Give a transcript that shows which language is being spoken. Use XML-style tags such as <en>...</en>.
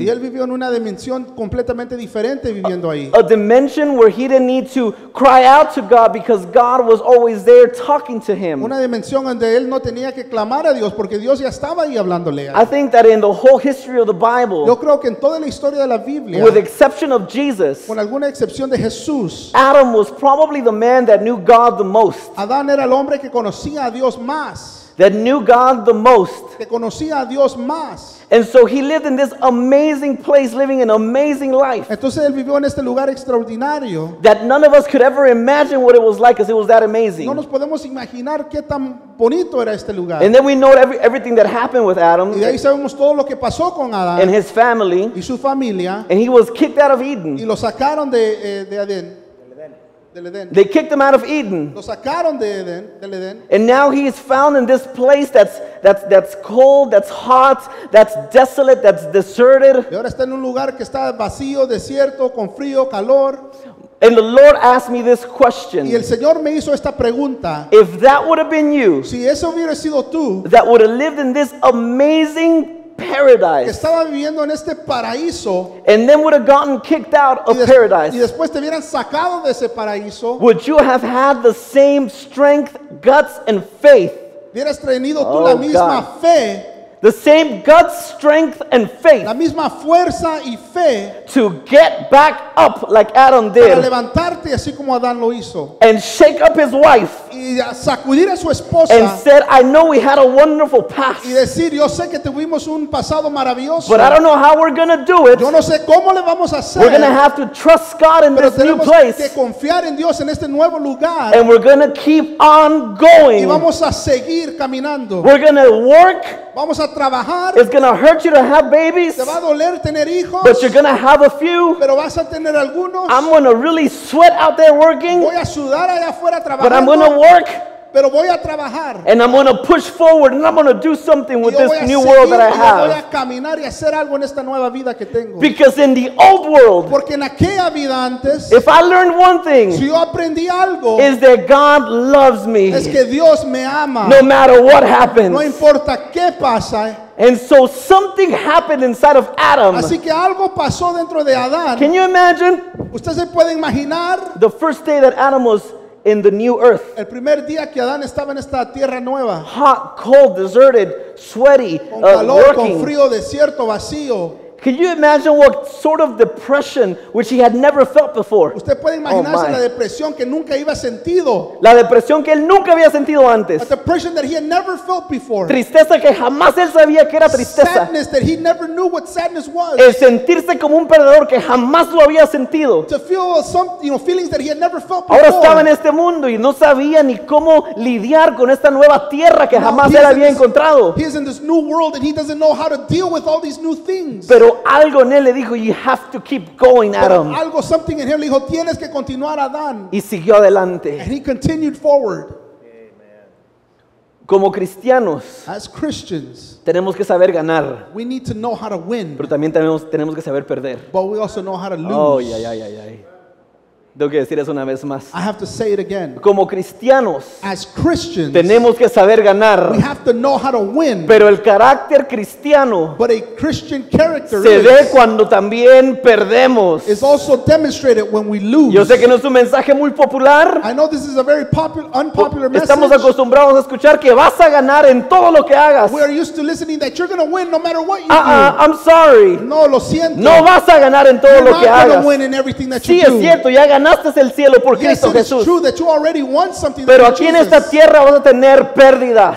<es>Y él vivió en una dimensión completamente diferente viviendo ahí.</es> <en>A dimension where he didn't need to cry out to God because God was always there talking to him.</en> <es>Una dimensión donde él no tenía que clamar a Dios porque Dios ya estaba ahí hablándole.</es> <en>I think that in the whole history of the Bible,</en> <es>yo creo que en toda la historia de la Biblia,</es> <en>with the exception of Jesus,</en> <es>con alguna excepción de Jesús,</es> <en>Adam was probably the man that knew God the most.</en> <es>Adán era el hombre que conocía a Dios más.</es> <en>That knew God the most.</en> <es>Que conocía a Dios más.</es> <en>And so he lived in this amazing place, living an amazing life.</en> <es>Entonces él vivió en este lugar extraordinario.</es> <en>That none of us could ever imagine what it was like, because it was that amazing.</en> <es>No nos podemos imaginar qué tan bonito era este lugar.</es> <en>And then we know everything that happened with Adam.</en> <es>Y de ahí sabemos todo lo que pasó con Adán.</es> <en>And his family.</en> <es>Y su familia.</es> <en>And he was kicked out of Eden.</en> <es>Y lo sacaron de Adén.</es> <en>They kicked him out of Eden.</en> <es>Lo sacaron de Eden, del Eden.</es> <en>And now he is found in this place that's cold, that's hot, that's desolate, that's deserted.</en> <es>Y ahora está en un lugar que está vacío, desierto, con frío, calor.</es> <en>And the Lord asked me this question.</en> <es>Y el Señor me hizo esta pregunta.</es> <en>If that would have been you,</en> <es>si eso hubiera sido tú,</es> <en>that would have lived in this amazing paradise.</en> <es>Que estaba viviendo en este paraíso.</es> <en>And then would have gotten kicked out of paradise.</en> <es>Y después te hubieran sacado de ese paraíso.</es> <en>Would you have had the same strength, guts, and faith?</en> <es>Hubieras tenido tú la misma</es> <en>God.</en> <es>Fe.</es> <en>The same guts, strength, and faith.</en> <es>La misma fuerza y fe.</es> <en>To get back up like Adam did.</en> <es>Para levantarte así como Adán lo hizo.</es> <en>And shake up his wife.</en> <es>Y sacudir a su esposa.</es> <en>And said, I know we had a wonderful past.</en> <es>Y decir, yo sé que tuvimos un pasado maravilloso.</es> <en>But I don't know how we're going to do it.</en> <es>Yo no sé cómo le vamos a hacer.</es> <en>We're going to have to trust God in</en> <es>pero</es> <en>this new place.</en> <es>Tenemos que confiar en Dios en este nuevo lugar.</es> <en>And we're going to keep on going.</en> <es>Y vamos a seguir caminando.</es> <en>We're going to work.</en> <es>Vamos a trabajar.</es> <en>It's going to hurt you to have babies.</en> <es>Te va a doler tener hijos.</es> <en>But you're going to have a few.</en> <es>Pero vas a tener algunos.</es> <en>I'm going to really sweat out there working.</en> <es>Voy a sudar allá afuera trabajando.</es> <en>But I'm going to work.</en> <es>pero voy a trabajar.</es> <en>And I'm going to push forward and I'm going to do something with this new world that I have.</en> <es>Voy a caminar y hacer algo en esta nueva vida que tengo.</es> <en>Because in the old world,</en> <es>porque en aquella vida antes,</es> <en>if I learned one thing,</en> <es>si yo aprendí algo,</es> <en>is that God loves me.</en> <es>Es que Dios me ama.</es> <en>No matter what happens.</en> <es>No importa qué pasa.</es> <en>And so something happened inside of Adam.</en> <es>Así que algo pasó dentro de Adán.</es> <en>Can you imagine?</en> <es>¿Usted se puede imaginar?</es> <en>The first day that Adam was in the new earth.</en> <es>El primer día que Adán estaba en esta tierra nueva.</es> <en>Hot, cold, deserted, sweaty,</en> <es>con calor,</es> <en>working.</en> <es>Con frío, desierto, vacío.</es> <en>Can you imagine what sort of depression which he had never felt before?</en> <es>¿Usted puede imaginarse la depresión que nunca había sentido? La depresión que él nunca había sentido antes.</es> <en>A depression that he had never felt before.</en> <es>Tristeza que jamás él sabía que era tristeza.</es> <en>Sadness that he never knew what sadness was.</en> <es>El sentirse como un perdedor que jamás lo había sentido.</es> <en>To feel some, you know, feelings that he had never felt before.</en> <es>Ahora estaba en este mundo y no sabía ni cómo lidiar con esta nueva tierra que jamás él había encontrado.</es> <en>He is in this new world and he doesn't know how to deal with all these new things.</en> <es>Pero algo en él le dijo,</es> <en>you have to keep going, Adam.</en> <es>Pero algo,</es> <en>something in him</en> <es>le dijo, tienes que continuar, Adán. Y siguió adelante.</es> <en>And he continued forward.</en> <es>Como cristianos,</es> <en>as Christians,</en> <es>tenemos que saber ganar.</es> <en>We need to know how to win.</en> <es>Pero también tenemos que saber perder.</es> <en>But we also know how to lose.</en> <es>Oh, ay, ay, ay, ay. Tengo que decir eso una vez más.</es> <en>I have to say it again.</en> <es>Como cristianos,</es> <en>as Christians,</en> <es>tenemos que saber ganar.</es> <en>We have to know how to win.</en> <es>Pero el carácter cristiano,</es> <en>but a Christian character,</en> <es>se</es> <en>is,</en> <es>ve cuando también perdemos.</es> <en>Is also demonstrated when we lose.</en> <es>Yo sé que no es un mensaje muy popular.</es> <en>I know this is a very unpopular message.</en> <es>Estamos acostumbrados a escuchar que vas a ganar en todo lo que hagas.</es> <en>We are used to listening that you're going to win no matter what you do. I'm sorry.</en> <es>No, lo siento. No vas a ganar en todo</es> <en>you're</en> <es>lo que hagas.</es> <en>You're not going to win in everything that</en> <es>sí,</es> <en>you do.</en> <es>Sí, es cierto, ya ganaste el cielo por Cristo Jesús.</es> <en>True that you already won something.</en> <es>Pero aquí en esta tierra vas a tener pérdidas.</es>